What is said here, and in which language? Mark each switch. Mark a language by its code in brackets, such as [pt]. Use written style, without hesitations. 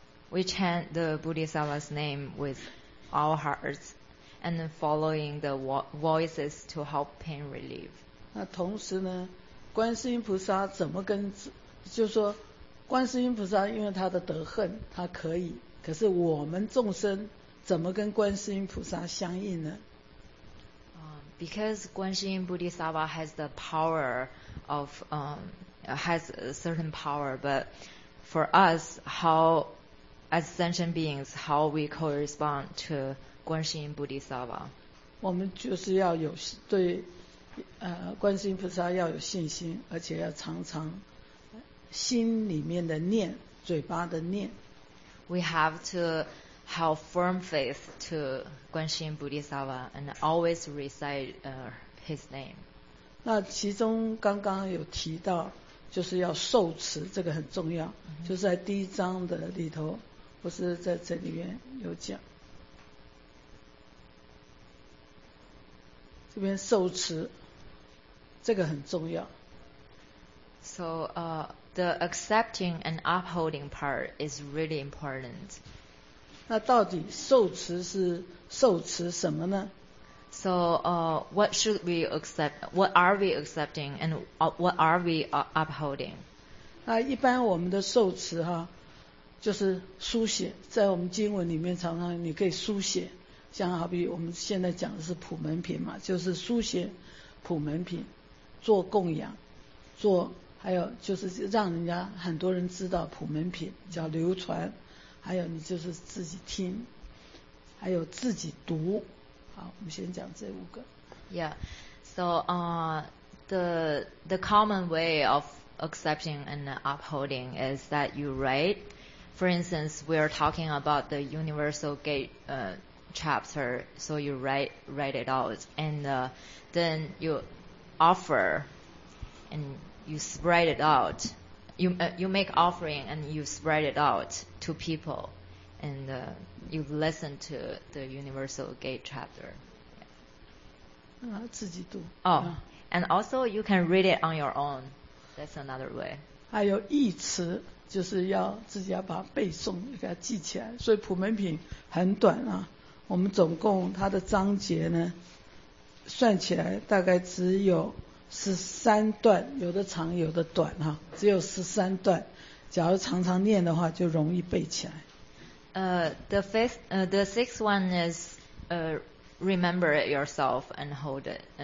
[en] We chant the Bodhisattva's name with our hearts, and following the voices to help pain relief. [zh] 那同时呢？观世音菩萨怎么跟，就是说观世音菩萨因为他的德恨他可以，可是我们众生怎么跟观世音菩萨相应呢？ [en] Because 观世音菩萨 has the power of has a certain power, but for us, how as sentient beings, how we correspond to 观世音菩萨？ [zh] 我们就是要有对观世音菩萨要有信心，而且要常常心里面的念，嘴巴的念。 [en] We have to have firm faith to 观世音菩萨 and always recite his name. [zh] 那其中刚刚有提到，就是要受持，这个很重要。 Mm-hmm. 就是在第一章的里头，不是在这里面有讲。这边受持这个很重要。 [en] So the accepting and upholding part is really important. [zh] 那到底受持是受持什么呢？ [en] So what should we accept? What are we accepting and what are we upholding? [zh] 那一般我们的受持哈，就是书写，在我们经文里面常常你可以书写，像好比我们现在讲的是普门品嘛，就是书写普门品，做供养，做还有就是让人家很多人知道普门品叫流传，还有你就是自己听，还有自己读。好，我们先讲这五个。 [en] Yeah, so the common way of accepting and upholding is that you write. For instance, we are talking about the Universal Gate chapter, so you write it out, and then you offer and you spread it out. You make offering and you spread it out to people, and you listen to the Universal Gate chapter. [zh] 自己读。 [en] Oh, and also you can read it on your own. That's another way. [zh] 还有译词，就是要自己要把它背诵，给它记起来。所以普门品很短啊，我们总共它的章节呢，算起来大概只有13段，有的长有的短哈，只有13段。假如常常念的话，就容易背起来。 [en] The sixth one is remember it yourself and hold it.